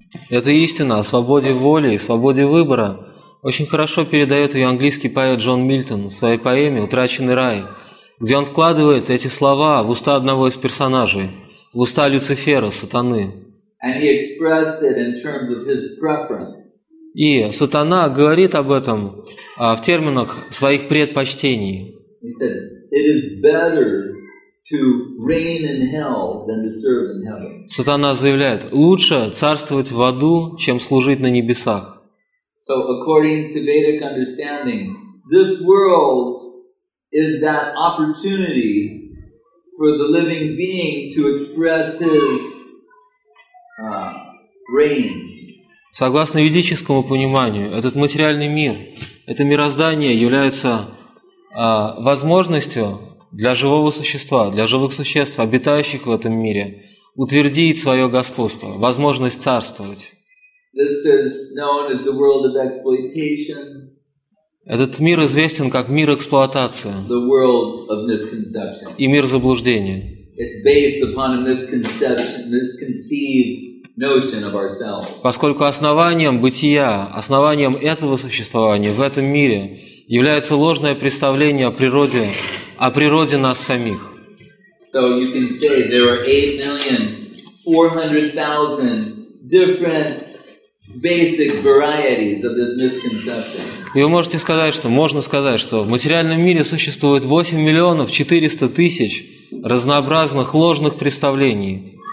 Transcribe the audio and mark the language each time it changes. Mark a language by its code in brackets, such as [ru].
[ru] Это истина о свободе воли и свободе выбора. Очень хорошо передает ее английский поэт Джон Мильтон в своей поэме «Утраченный рай», где он вкладывает эти слова в уста одного из персонажей, в уста Люцифера, сатаны. [en] And he expressed it in terms of his preference. [ru] И сатана говорит об этом в терминах своих предпочтений. [en] He said, it is better to reign in hell than to serve in heaven. [ru] Сатана заявляет: лучше царствовать в аду, чем служить на небесах. [en] So according to Vedic understanding, this world is that opportunity for the living being to express his reign. [ru] Согласно ведическому пониманию, этот материальный мир, это мироздание является возможностью для живого существа, для живых существ, обитающих в этом мире, утвердить свое господство, возможность царствовать. [en] This is known as the world of exploitation, [ru] Этот мир известен как мир эксплуатации [en] the world of misconception. [ru] И мир заблуждения. [en] It's based upon a misconception, misconceived notion of ourselves. [ru] Поскольку основанием бытия, основанием этого существования в этом мире является ложное представление о природе нас самих. [en] So you can say there are 8,400,000 different basic varieties of this misconception. [ru] И вы можете сказать, что можно сказать, что в материальном мире существует 8,400,000 разнообразных ложных представлений.